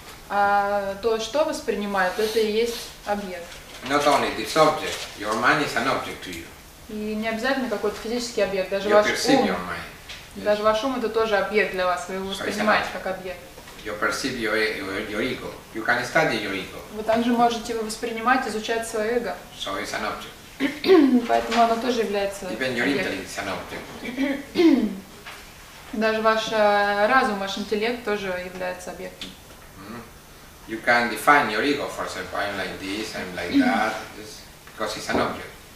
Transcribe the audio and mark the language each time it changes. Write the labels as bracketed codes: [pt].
[ru] А то, что воспринимает, это и есть объект. [en] Not only this object, your mind is an object to you. [ru] И не обязательно какой-то физический объект, даже [en] you [ru] ваш [en] perceive [ru] ум. [en] Your mind. Yes. [ru] Даже ваш ум это тоже объект для вас, вы его воспринимаете как объект. [en] You perceive your ego. You can study your ego. [ru] Вы также можете его воспринимать, изучать свое эго. [en] So it's an object. [ru] Поэтому оно тоже является объектом. [en] Even your intellect is an object. [ru] Даже ваш разум, ваш интеллект тоже является объектом. [en] You can define your ego, for example, I'm like this, I'm like that, because it's an object.